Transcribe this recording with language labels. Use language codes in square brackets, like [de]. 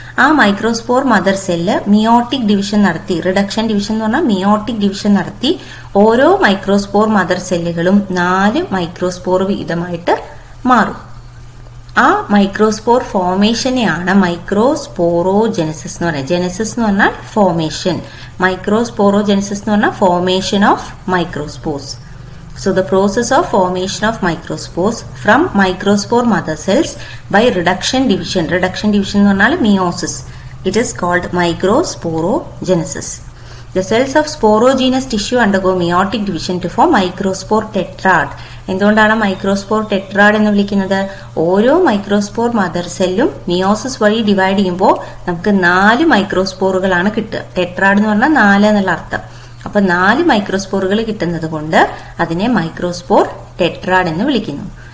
[ml] ആ microspore mother cell meiotic division നടത്തി, reduction division എന്ന് പറഞ്ഞാൽ മിയോട്ടിക് ഡിവിഷൻ നടത്തി ഓരോ മൈക്രോസ്പോർ മദർ സെല്ലുകളും നാല് മൈക്രോസ്പോർ വീതമായിട്ട് മാറും. ആ മൈക്രോസ്പോർ ഫോർമേഷനെയാണ് മൈക്രോസ്പോറോജെനസിസ് എന്ന് പറയുന്നത്. ജെനസിസ് എന്ന് പറഞ്ഞാൽ ഫോർമേഷൻ, മൈക്രോസ്പോറോജെനസിസ് എന്ന് പറഞ്ഞാൽ formation of microspores. [en] So the process of formation of microspores from microspore mother cells by reduction division. Reduction division is called meiosis. It is called microsporogenesis. The cells of sporogenous tissue undergo meiotic division to form microspore tetrad. [ml] എന്തുകൊണ്ടാണ് microspore tetrad എന്ന് വിളിക്കുന്നത്? ഓരോ microspore mother സെല്ലും meiosis വഴി divide ചെയ്യുമ്പോൾ നമുക്ക് നാല് മൈക്രോസ്പോറുകളാണ് കിട്ടുക. ടെട്രാഡ് എന്ന് പറഞ്ഞാൽ നാല് എന്നുള്ള അർത്ഥം. അപ്പൊ നാല് മൈക്രോസ്പോറുകൾ കിട്ടുന്നത് കൊണ്ട് അതിനെ മൈക്രോസ്പോർ ടെട്രാഡ് എന്ന് വിളിക്കുന്നു.